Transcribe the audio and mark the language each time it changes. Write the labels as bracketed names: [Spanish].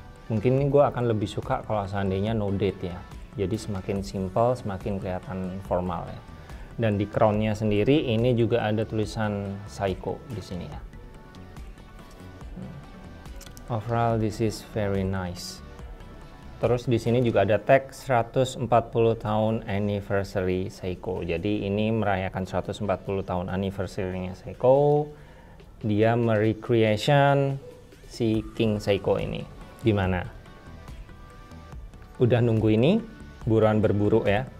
[Indonesian] Mungkin ini gue akan lebih suka kalau seandainya no date ya. Jadi semakin simple, semakin kelihatan formal ya. Dan di crownnya sendiri ini juga ada tulisan Seiko di sini ya. [English] Overall, this is very nice. [Indonesian] Terus di sini juga ada tag 140 tahun anniversary Seiko. Jadi ini merayakan 140 tahun anniversary-nya Seiko. Dia merecreation si King Seiko ini. Gimana? Udah nunggu ini? Buruan berburu ya.